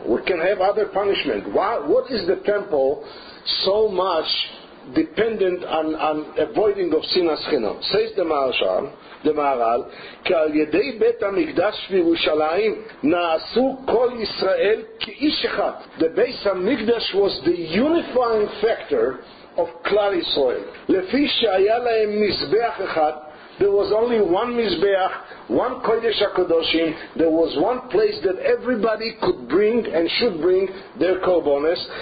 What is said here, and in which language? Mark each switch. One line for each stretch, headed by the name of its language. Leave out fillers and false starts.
English: We can have other punishment. What is the temple so much dependent on avoiding of sinas chinam? Says the Maharal,
Hebrew: כעל ידי בית המקדש בירושלים נעשו כל ישראל כאיש אחד.
English: The base of Mikdash was the unifying factor of Klal Yisrael.
Hebrew: לפי שהיה להם מזבח אחד,
English: There was only one Mizbeach, one Kodesh HaKodoshim. There was one place that everybody could bring and should bring their korbanos.